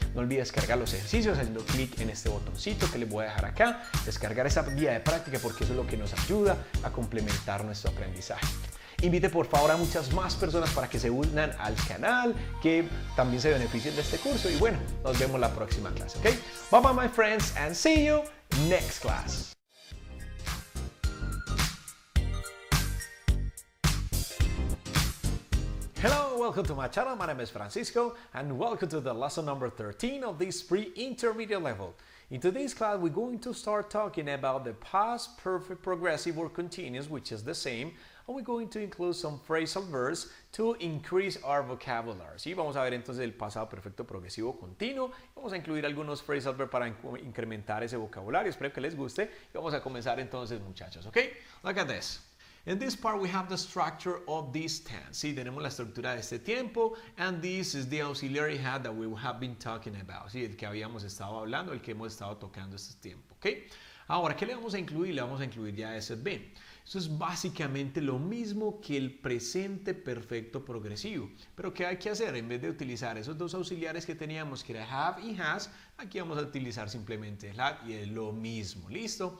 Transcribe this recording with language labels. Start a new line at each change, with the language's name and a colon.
Spanish: No olvides descargar los ejercicios haciendo clic en este botoncito que les voy a dejar acá. Descargar esa guía de práctica porque eso es lo que nos ayuda a complementar nuestro aprendizaje. Invite por favor a muchas más personas para que se unan al canal, que también se beneficien de este curso. Y bueno, nos vemos la próxima clase, ¿ok?
English: Bye bye, my friends, and see you next class. Welcome to my channel, my name is Francisco, and welcome to the lesson number 13 of this pre-intermediate level. In today's class, we're going to start talking about the past perfect progressive or continuous, which is the same, and we're going to include some phrasal verbs to increase our vocabulary.
Spanish: Sí, vamos a ver entonces el pasado perfecto progresivo continuo, vamos a incluir algunos phrasal verbs para incrementar ese vocabulario, espero que les guste, y vamos a comenzar entonces, muchachos, ¿ok?
English: Look at this. In this part, we have the structure of this tense.
Spanish: Sí, tenemos la estructura de este tiempo.
English: And this is the auxiliary had that we have been talking about.
Spanish: Sí, el que habíamos estado hablando, el que hemos estado tocando este tiempo. ¿Okay? Ahora, ¿qué le vamos a incluir? Le vamos a incluir ya ese been. Eso es básicamente lo mismo que el presente perfecto progresivo. Pero ¿qué hay que hacer? En vez de utilizar esos dos auxiliares que teníamos, que era have y has, aquí vamos a utilizar simplemente el had y es lo mismo. ¿Listo?